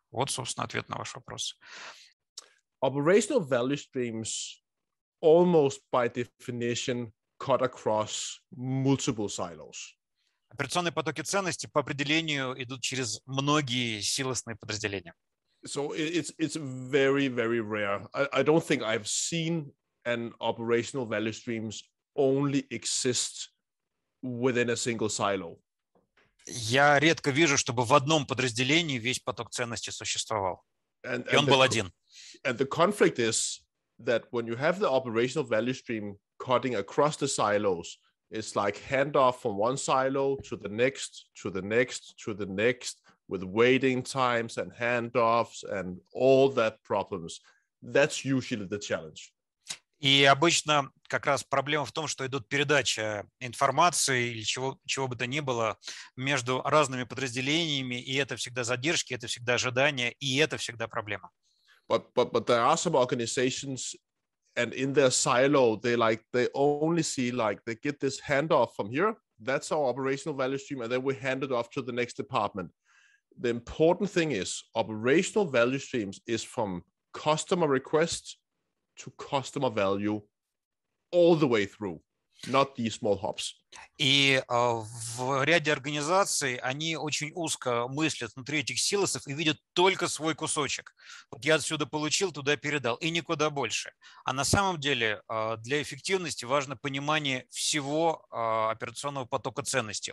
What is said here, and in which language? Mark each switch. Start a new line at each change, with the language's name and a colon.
Russian: Вот, собственно, ответ на ваш вопрос.
English: Operational value streams almost by definition cut across multiple silos.
Russian: Операционные потоки ценности по определению идут через многие силосные подразделения.
English: So it's very, very rare. I don't think I've seen an operational value streams only exist within a single silo.
Russian: Я редко вижу, чтобы в одном подразделении весь поток ценности существовал. И он был один.
English: And the conflict is that when you have the operational value stream cutting across the silos, it's like handoff from one silo to the next, to the next, to the next, with waiting times and handoffs and all that problems. That's usually the challenge.
Russian: И обычно как раз проблема в том, что идет передача информации или чего бы то ни было между разными подразделениями, и это всегда задержки, это всегда ожидания, и это всегда проблема.
English: But there are some organizations, and in their silo, they only see, like, they get this handoff from here, that's our operational value stream, and then we hand it off to the next department. The important thing is, operational value streams is from customer request to customer value all the way through, not these small hops.
Russian: И в ряде организаций они очень узко мыслят внутри этих силосов и видят только свой кусочек. Вот я отсюда получил, туда передал, и никуда больше. А на самом деле для эффективности важно понимание всего операционного потока ценности.